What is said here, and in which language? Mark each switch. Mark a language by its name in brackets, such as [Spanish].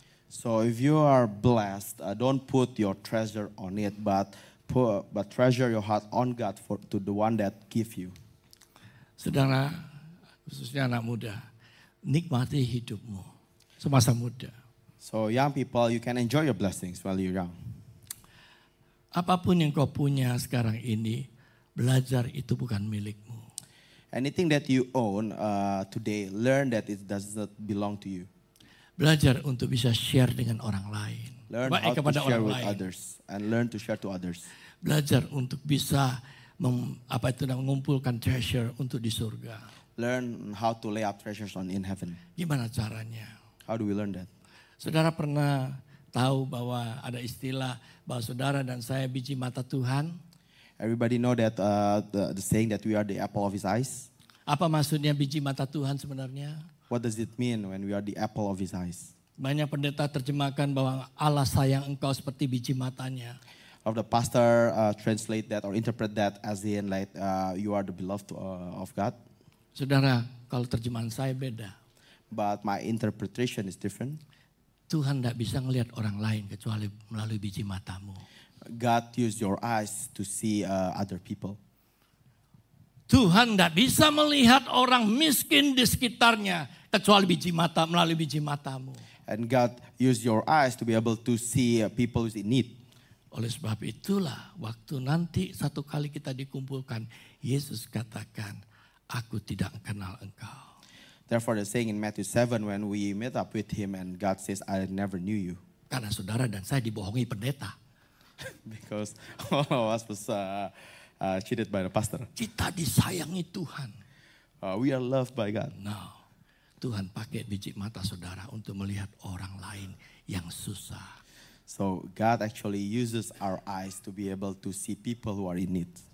[English] So if you are blessed, don't put your treasure on it, but treasure your heart on God to the one that give you. [Indonesian] Saudara, khususnya anak muda, nikmati hidupmu semasa muda. [English] So young people, you can enjoy your blessings while you're young. [Indonesian] Apapun yang kau punya sekarang ini, belajar itu bukan milikmu. [English] Anything that you own today, learn that it does not belong to you. [Indonesian] Belajar untuk bisa share dengan orang lain. [English] Learn how to share with others. And learn to share to others. [Indonesian] Belajar untuk bisa mengumpulkan treasure untuk di surga. [English] Learn how to lay up treasures in heaven. [Indonesian] Gimana caranya? [English] How do we learn that? [Indonesian] Saudara pernah tahu bahwa ada istilah bahwa saudara dan saya biji mata Tuhan? [English] Everybody know that the saying that we are the apple of his eyes? [Indonesian] Apa maksudnya biji mata Tuhan sebenarnya? [English] What does it mean when we are the apple of his eyes? [Indonesian] Banyak pendeta terjemahkan bahwa Allah sayang engkau seperti biji matanya. [English] Of the pastor translate that or interpret that as in like you are the beloved of God. [Indonesian] Saudara, kalau terjemahan saya beda. [English] But my interpretation is different. [Indonesian] Tuhan enggak bisa ngelihat orang lain kecuali melalui biji matamu. [English] God use your eyes to see other people. [Indonesian] Tuhan enggak bisa melihat orang miskin di sekitarnya kecuali biji mata melalui biji matamu. [English] And God use your eyes to be able to see people who's in need. [Indonesian] Oleh sebab itulah waktu nanti satu kali kita dikumpulkan, Yesus katakan, aku tidak kenal engkau. [English] Therefore the saying in Matthew 7 when we met up with him and God says I never knew you. [Indonesian] Karena saudara dan saya dibohongi pendeta. [English] Because all of us was cheated by the pastor. [Indonesian] Kita disayangi Tuhan. [English] We are loved by God. [Indonesian] No. Tuhan pakai biji mata saudara untuk melihat orang lain yang susah. [English] So God actually uses our eyes to be able to see people who are in need.